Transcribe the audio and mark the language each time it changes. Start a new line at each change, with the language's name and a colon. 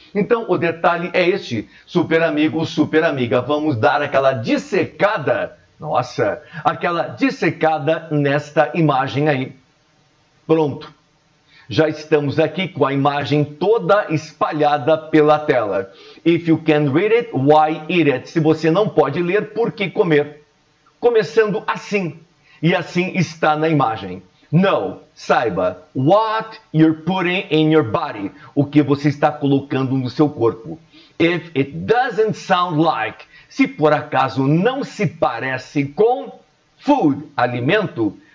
Portuguese: Então, o detalhe é este, super amigo, super amiga, vamos dar aquela dissecada, nossa, aquela dissecada nesta imagem aí. Pronto. Já estamos aqui com a imagem toda espalhada pela tela.
English: If you can read it, why eat it?
Portuguese: Se você não pode ler, por que comer? Começando assim. E assim está na imagem. No, saiba.
English: What you're putting in your body.
Portuguese: O que você está colocando no seu corpo.
English: If it doesn't sound like.
Portuguese: Se por acaso não se parece com
English: food,
Portuguese: alimento.